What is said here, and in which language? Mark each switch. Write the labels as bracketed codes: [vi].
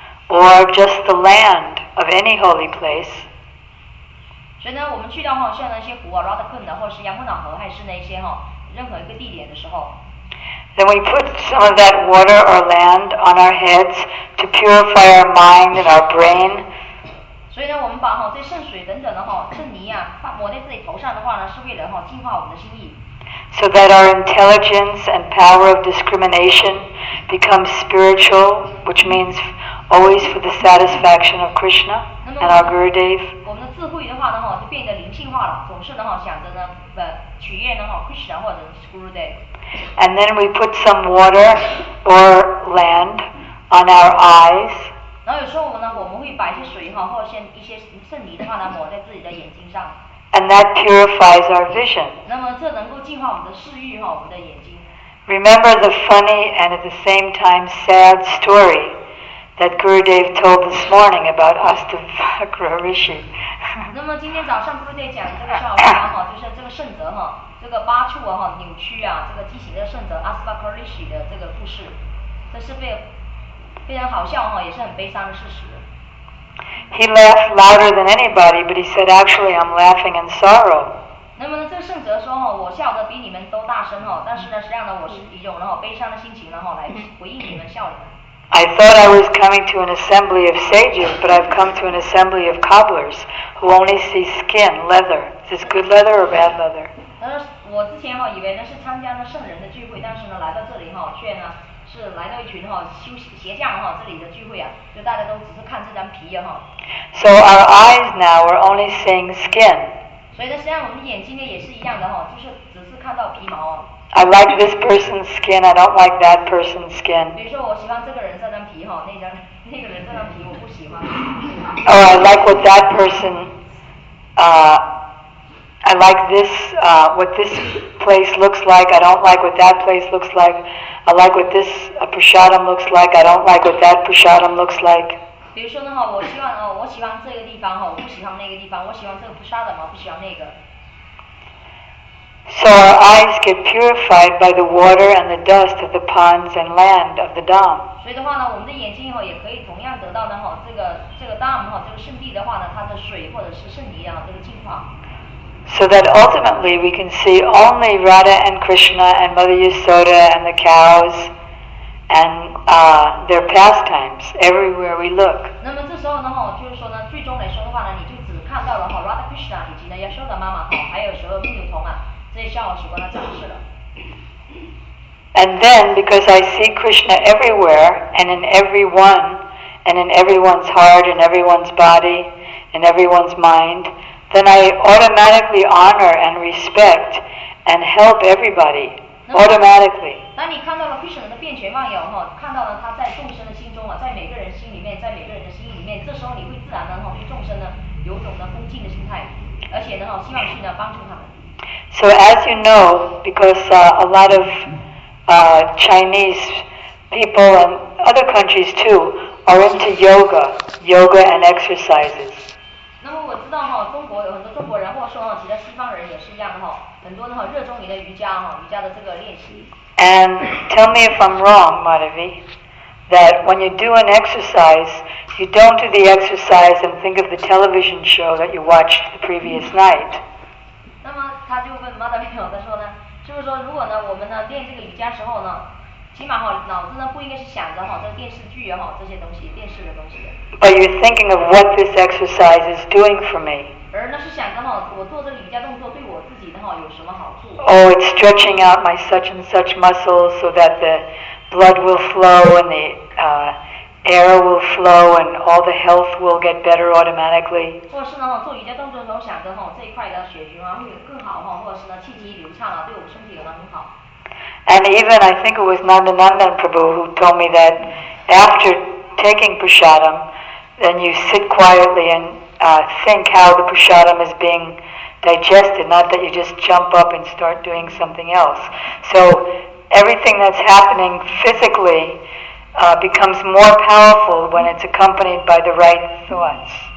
[en] or just the land of any holy place. [zh] 所以呢，我们去到哈，像那些湖啊 ，Radhakund 或是杨木脑河，还是那些哈，任何一个地点的时候。 [en] Then we put some of that water or land on our heads to purify our mind and our brain. [zh] 所以呢，我们把哈这圣水等等的哈，圣泥啊，抹在自己头上的话呢，是为了哈净化我们的心意。 [en] So that our intelligence and power of discrimination become spiritual, which means always for the satisfaction of Krishna and our Gurudev. [zh] 我们的智慧的话呢，哈，就变得灵性化了，总是呢，哈，想着呢，取悦呢，哈 ，Krishna 或者 Gurudev. [en] And then we put some water or land on our eyes. [zh] 然后有时候我们呢，我们会把一些水哈，或者一些圣泥的话呢，抹在自己的眼睛上。 [en] And that purifies our vision. [zh] 那么这能够净化我们的视域哈，我们的眼睛。 [en] Remember the funny and at the same time sad story that Gurudev told this morning about Astavakra Rishi. [zh] 那么今天早上 Gurudev 讲这个笑话哈，就是这个圣德哈，这个八处哈扭曲啊，这个畸形的圣德 Astavakra Rishi 的这个故事，这是非常好笑哈，也是很悲伤的事实。 [en] He laughed louder than anybody, but he said, "Actually, I'm laughing in sorrow." [zh] 那么呢，这个圣哲说哈，我笑得比你们都大声哈，但是呢，实际上呢，我是以一种然后悲伤的心情然后来回应你们笑的。 [en] I thought I was coming to an assembly of sages, but I've come to an assembly of cobblers who only see skin, leather. Is this good leather or bad leather? [zh] 我之前哈以为呢是参加了圣人的聚会，但是呢来到这里哈却呢。是来到一群哈修鞋匠哈这里的聚会啊，就大家都只是看这张皮呀哈。 [en] So our eyes now are only seeing skin. [zh] 所以呢，实际上我们眼睛呢也是一样的哈，就是只是看到皮毛。 [en] I like this person's skin. I don't like that person's skin. [zh] 比如说，我喜欢这个人这张皮哈，那个人这张皮我不喜欢。 [en] Or I like what that person, I like this, what this place looks like. I don't like what that place looks like. I like what this prasadam looks like. I don't like what that prasadam looks like. [zh] 比如说呢，我希望哦，我喜欢这个地方哈，我不喜欢那个地方。我喜欢这个 prasadam， 我不喜欢那个。 [en] So our eyes get purified by the water and the dust of the ponds and land of the dam. [zh] 所以的话呢，我们的眼睛哈也可以同样得到呢哈，这个 dam 哈，这个圣地的话呢，它的水或者是圣泥啊，这个净化。 [en] So that ultimately we can see only Radha and Krishna and Mother Yasoda and the cows and their pastimes everywhere we look. [zh] 那么这时候的话，就是说呢，最终来说的话呢，你就只看到了哈 Radha Krishna 以及呢 Yasoda 妈妈哈，还有所有牧牛童啊，这些笑话时光的展示了。 [en] And then because I see Krishna everywhere and in everyone and in everyone's heart and everyone's body and everyone's mind. Then I automatically honor and respect and help everybody automatically. [zh] 当你看到了 Krishna 的遍全万有哈，看到了他在众生的心中啊，在每个人心里面，在每个人的心里面，这时候你会自然的哈，对众生呢有种的恭敬的心态，而且呢哈，希望去呢帮助他们。 [en] So as you know, because a lot of Chinese people and other countries too are into yoga and exercises. [zh] 那么我知道哈，中国有很多中国人，或者说哈，其他西方人也是一样的哈，很多的哈热衷于的瑜伽哈，瑜伽的这个练习。 [en] And tell me if I'm wrong, Madhavi, that when you do an exercise, you don't do the exercise and think of the television show that you watched the previous night. [zh] 那么他就问 Madhavi 哈，他说呢，就是说如果呢，我们呢练这个瑜伽时候呢。起码哈，脑子呢不应该是想着哈这个电视剧也好这些东西，电视的东西。 [en] But you're thinking of what this exercise is doing for me. [zh] 而那是想着哈，我做这个瑜伽动作对我自己的哈有什么好处 [en] ？Oh, it's stretching out my such and such muscles so that the blood will flow and the air will flow and all the health will get better automatically. [zh] 或者是呢，做瑜伽动作的时候想着哈，这一块的血循环会有更好哈，或者是呢气机流畅啊，对我身体有了很好。 [en] And even I think it was Nandanandan Prabhu who told me that after taking prasadam, then you sit quietly and think how the prasadam is being digested, not that you just jump up and start doing something else. So everything that's happening physically becomes more powerful when it's accompanied by the right thoughts.